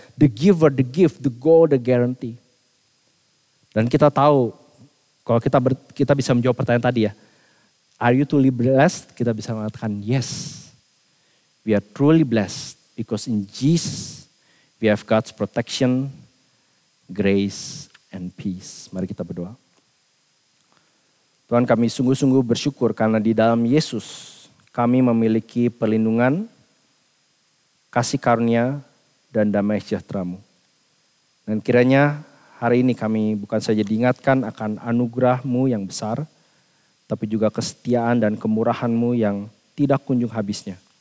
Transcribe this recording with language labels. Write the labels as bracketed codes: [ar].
[en] The giver, the gift, the goal, the guarantee. [id] Dan kita tahu, kalau kita bisa menjawab pertanyaan tadi ya. [en] Are you truly blessed? [id] Kita bisa mengatakan [en] yes. We are truly blessed because in Jesus we have God's protection, grace and peace. [id] Mari kita berdoa. Tuhan, kami sungguh-sungguh bersyukur karena di dalam Yesus kami memiliki perlindungan, kasih karunia, dan damai sejahtera-Mu. Dan kiranya hari ini kami bukan saja diingatkan akan anugerah-Mu yang besar, tapi juga kesetiaan dan kemurahan-Mu yang tidak kunjung habisnya.